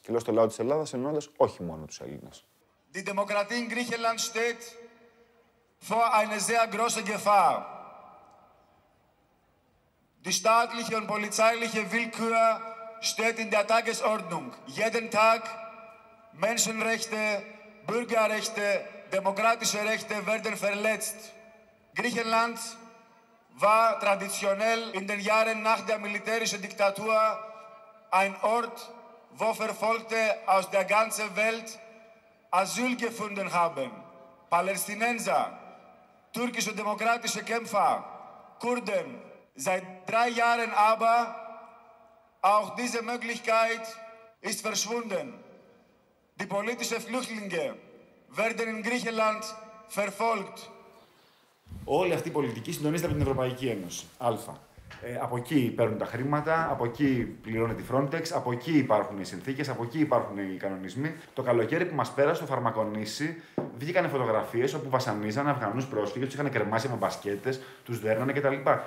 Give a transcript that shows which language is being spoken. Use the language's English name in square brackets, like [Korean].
[Greek] Και λέω στο λαό της Ελλάδας εννοώντας όχι μόνο τους Έλληνες. [German] Die Demokratie in Griechenland steht vor einer sehr großen Gefahr. Die staatliche und polizeiliche Willkür steht in der Tagesordnung. Jeden Tag Menschenrechte, Bürgerrechte, demokratische Rechte werden verletzt. Griechenland war traditionell in den Jahren nach der militärischen Diktatur ein Ort, wo Verfolgte aus der ganzen Welt Asyl gefunden haben. Palästinenser, türkische demokratische Kämpfer, Kurden. Seit 3 Jahren aber auch diese Möglichkeit ist verschwunden. Die politischen Flüchtlinge werden in Griechenland verfolgt. [Greek] Όλη αυτή η πολιτική συντονίζεται από την Ευρωπαϊκή Ένωση. Αλφα. Από εκεί παίρνουν τα χρήματα, από εκεί πληρώνεται η Frontex, από εκεί υπάρχουν οι συνθήκες, από εκεί υπάρχουν οι κανονισμοί. Το καλοκαίρι που μας πέρασε στο Φαρμακονήσι, βγήκαν φωτογραφίες όπου βασανίζαν Αφγανούς πρόσφυγες, τους είχαν κρεμάσει με μπασκέτες, τους δέρνανε κτλ.